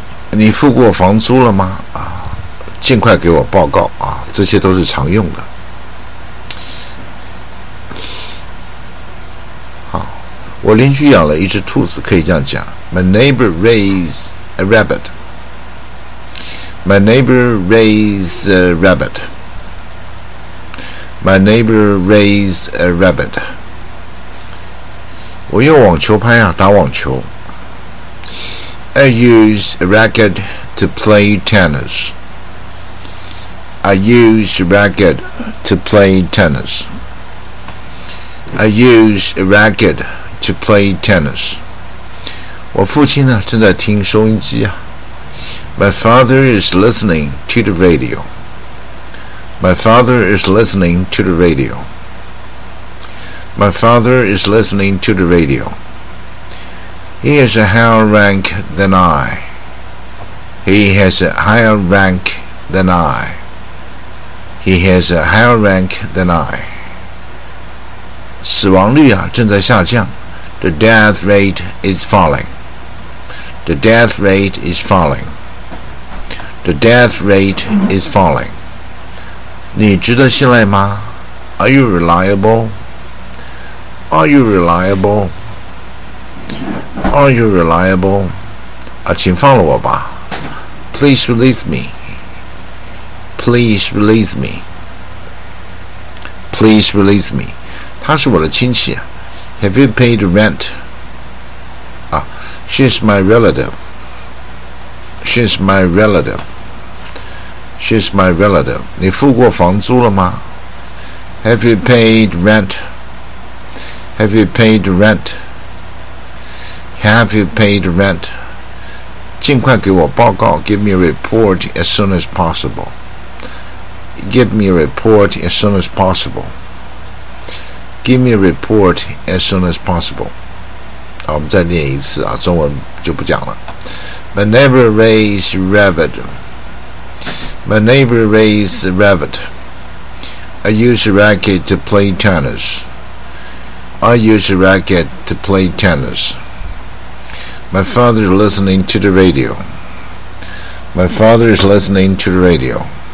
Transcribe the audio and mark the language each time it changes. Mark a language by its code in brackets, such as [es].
[zh] 你付过房租了吗？啊，尽快给我报告啊！这些都是常用的。好，我邻居养了一只兔子，可以这样讲 ： [en] My neighbor raised a rabbit. My neighbor raised a rabbit. My neighbor raised a rabbit. [zh] 我用网球拍啊打网球。 [en] I use a racket to play tennis. I use a racket to play tennis. I use a racket to play tennis. [zh] 我父亲呢正在听收音机啊。 [en] My father is listening to the radio. My father is listening to the radio. My father is listening to the radio. He has a higher rank than I. He has a higher rank than I. He has a higher rank than I. [zh] 死亡率啊正在下降。 [en] The death rate is falling. The death rate is falling. The death rate is falling. [zh] 你值得信赖吗 ？ [en] Are you reliable? Are you reliable? Are you reliable? 啊， [zh] 请放了我吧。 [en] Please release me. Please release me. Please release me. [zh] 他是我的亲戚啊。 [en] Have you paid rent? 啊 ，She's my relative. She's my relative. She's my relative. [zh] 你付过房租了吗 ？ [en] Have you paid rent? Have you paid rent? Have you paid rent? [zh] 尽快给我报告。 [en] Give me a report as soon as possible. Give me a report as soon as possible. Give me a report as soon as possible. [zh] 好，我们再念一次啊，中文就不讲了。 [en] My neighbor raised rabbit. My neighbor raised a rabbit. I use a racket to play tennis. I use a racket to play tennis. My father is listening to the radio. My father is listening to the radio.